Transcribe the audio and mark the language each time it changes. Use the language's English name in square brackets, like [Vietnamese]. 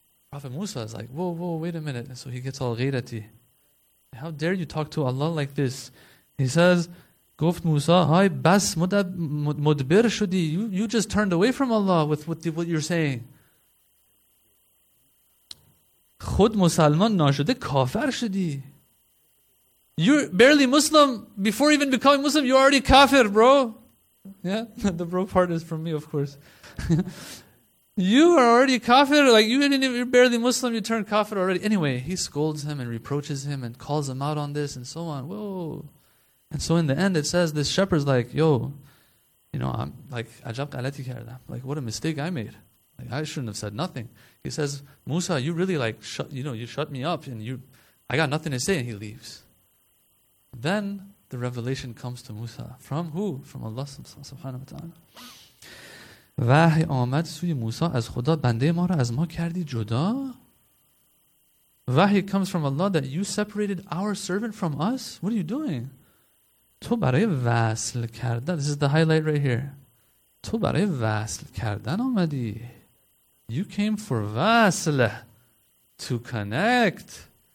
[English] Prophet Musa is like, whoa, wait a minute. And so he gets all ghirati. How dare you talk to Allah like this? He says, [Persian] Goft Musa, hai bas mudbir shudi. [English] You just turned away from Allah with what you're saying. [Persian] خود مسلمان ناشده کافر شدی. [English] You're barely Muslim. Before even becoming Muslim, you're already kafir, bro. Yeah, the bro part is from me, of course. You are already kafir. Like, you're barely Muslim, you turned kafir already. Anyway, he scolds him and reproaches him and calls him out on this and so on. Whoa. And so in the end, it says this shepherd's like, yo, you know, I'm like, [Persian] ajab galati kardam. [English] Like, what a mistake I made. Like, I shouldn't have said nothing. He says, Musa, you really like, you shut me up and you, I got nothing to say. And he leaves. Then the revelation comes to Musa. From who? From Allah subhanahu wa ta'ala. [Persian] وحی آمد سوی موسی از خدا بنده ما را از ما کردی جدا. [English] وحی comes from Allah that you separated our servant from us. What are you doing? [Persian] تو برای وصل کردن. [English] This is the highlight right here. [Persian] تو برای وصل کردن آمدی. [English] You came for وصل. To connect.